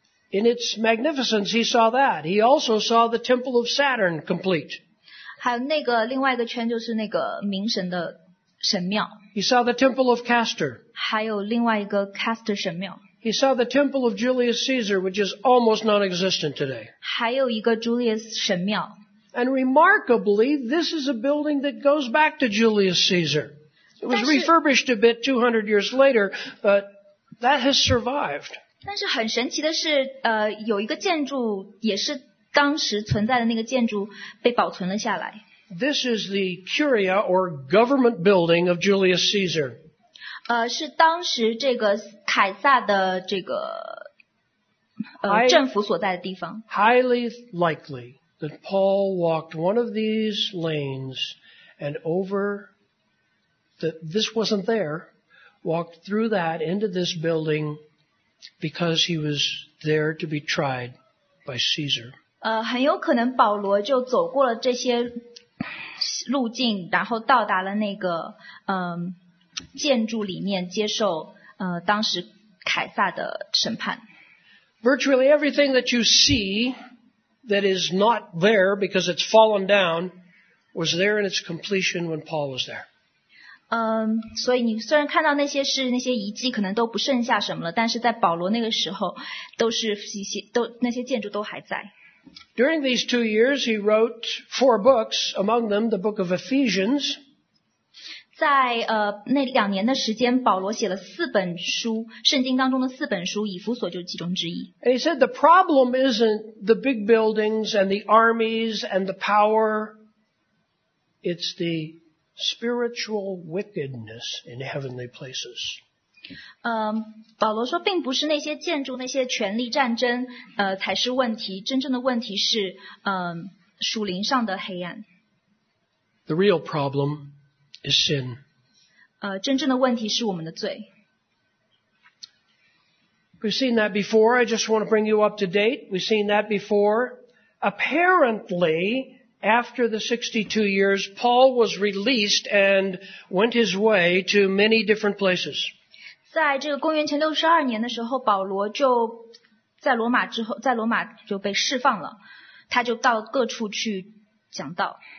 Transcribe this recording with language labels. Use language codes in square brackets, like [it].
[en] In its magnificence, he saw that. He also saw the Temple of Saturn complete. [zh] 还有那个另外一个圈就是那个冥神的神庙。 [en] He saw the temple of Castor. [zh] 还有另外一个 Castor 神庙。 [en] He saw the temple of Julius Caesar, which is almost non-existent today. [zh] 还有一个 Julius 神庙。 [en] And remarkably, this is a building that goes back to Julius Caesar. It was refurbished a bit 200 years later, but that has survived. [zh] 但是很神奇的是，有一个建筑也是当时存在的那个建筑被保存了下来。 [en] This is the Curia or government building of Julius Caesar. [zh] 是当时这个凯撒的这个政府所在的地方。 [en] Highly likely that Paul walked one of these lanes and over that this wasn't there, walked through that into this building because he was there to be tried by Caesar. [zh] 很有可能保罗就走过了这些路径，然后到达了那个建筑里面接受当时凯撒的审判。 [en] Virtually everything that you see that is not there because it's fallen down was there in its completion when Paul was there. [zh] 所以你虽然看到那些遗迹可能都不剩下什么了，但是在保罗那个时候，那些建筑都还在。 [en] During these 2 years, he wrote 4 books, among them the book of Ephesians. [zh] 在那两年的时间，保罗写了四本书，圣经当中的四本书，以弗所就是其中之一。 [en] And he said the problem isn't the big buildings and the armies and the power, it's the spiritual wickedness in heavenly places. [zh] 保罗说并不是那些建筑那些权力战争才是问题，真正的问题是属灵上的黑暗。 [en] The real problem is sin. [zh] 真正的问题是我们的罪。 [en] We've seen that before, I just want to bring you up to date. We've seen that before. Apparently, after the 62 years, Paul was released and went his way to many different places. [zh] 在这个公元前62年的时候，保罗就在罗马之后，在罗马就被释放了，他就到各处去讲道。